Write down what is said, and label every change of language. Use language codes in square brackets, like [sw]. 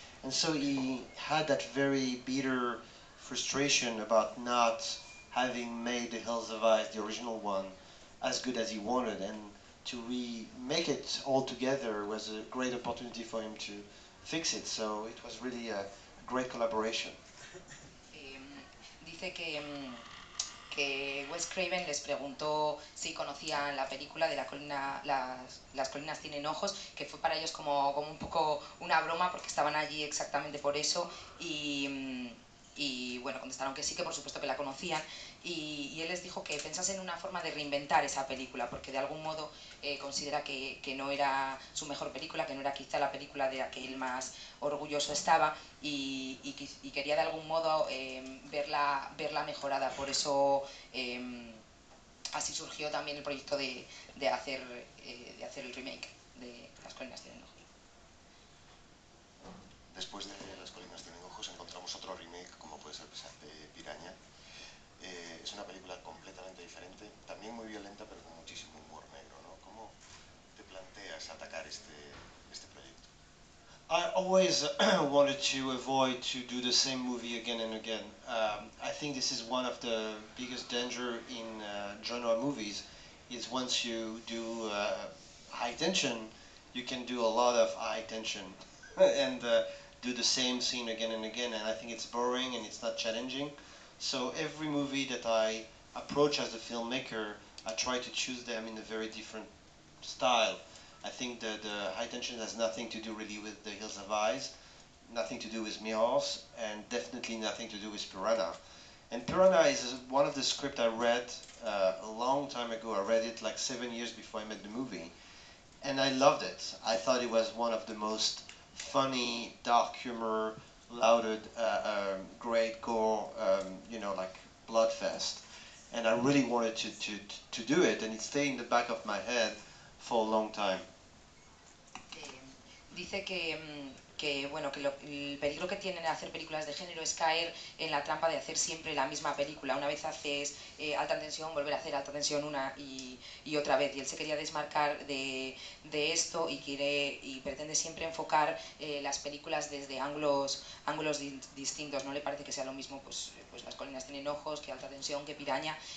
[en] And so he had that very bitter frustration about not having made The Hills Have Eyes, the original one, as good as he wanted, and to remake it all together was a great opportunity for him to fix it. So it was really a great collaboration. [es] Dice que Wes Craven les preguntó si conocían la película de las colinas tienen ojos, que fue para ellos como un poco una broma porque estaban allí exactamente por eso, y bueno, contestaron que sí, que por supuesto que la conocían, y él les dijo que pensasen en una forma de reinventar esa película, porque de algún modo considera que no era su mejor película, que no era quizá la película de la que él más orgulloso estaba, y quería de algún modo verla mejorada. Por eso así surgió también el proyecto de hacer el remake de Las Colinas Tienen Ojos. Después de Las Colinas Tienen Ojos encontramos otro remake, como puede ser Piraña. Es una película completamente diferente, también muy violenta, pero con muchísimo humor negro, ¿no? ¿Cómo te planteas atacar este proyecto? [en] I always wanted to avoid to do the same movie again and again. I think this is one of the biggest danger in genre movies, is once you do High Tension, you can do a lot of High Tension and do the same scene again and again, and I think it's boring and it's not challenging. So every movie that I approach as a filmmaker, I try to choose them in a very different style. I think the High Tension has nothing to do really with The Hills Have Eyes, nothing to do with Mirrors, and definitely nothing to do with Piranha. And Piranha is one of the scripts I read a long time ago. I read it like 7 years before I made the movie, and I loved it. I thought it was one of the most funny, dark humor, lauded, great gore, bloodfest. And I really wanted to do it, and it stayed in the back of my head for a long time. [es] dice que bueno, que el peligro que tienen hacer películas de género es caer en la trampa de hacer siempre la misma película. Una vez haces alta tensión, volver a hacer alta tensión una y otra vez. Y él se quería desmarcar de esto y quiere y pretende siempre enfocar las películas desde ángulos distintos. No le parece que sea lo mismo, pues Las colinas tienen ojos, que Alta tensión, que Piraña.